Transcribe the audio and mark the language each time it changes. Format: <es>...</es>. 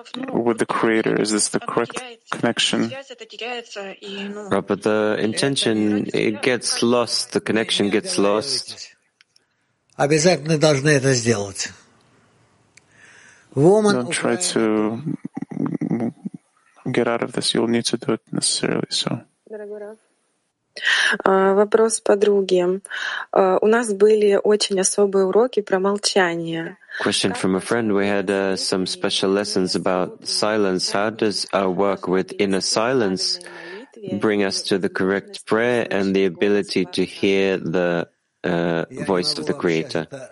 <en>With the Creator, is this the correct connection? Right, but the intention, it gets lost, the connection gets lost.</en> <ru>Обязательно должны это сделать.</ru> <en>Don't try to get out of this, you'll need to do it necessarily, so.</en> <ru>Вопрос подруги. У нас были очень особые уроки про молчание.</ru> <en>Question from a friend. We had some special lessons about silence. How does our work with inner silence bring us to the correct prayer and the ability to hear the voice of the Creator?</en>